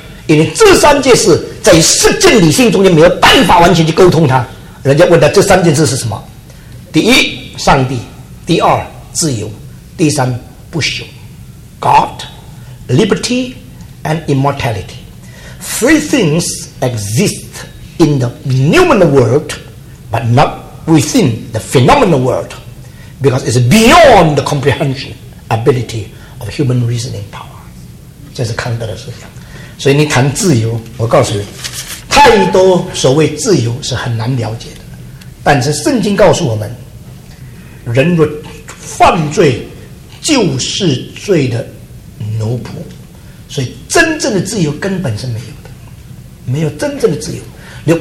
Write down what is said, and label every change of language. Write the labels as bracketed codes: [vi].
[zh] 因为这三件事在实践理性中间没有办法完全去沟通它。人家问他这三件事是什么？第一，上帝；第二，自由；第三，不朽 ， [en] God, liberty and immortality. Three things exist in the noumenal world, but not within the phenomenal world, because it's beyond the comprehension ability of human reasoning power. [zh] 这是康德的思想。所以你谈自由，我告诉你，太多所谓自由是很难了解的。但是圣经告诉我们，人若犯罪，就是罪的奴仆。所以真正的自由根本是没有的，没有真正的自由。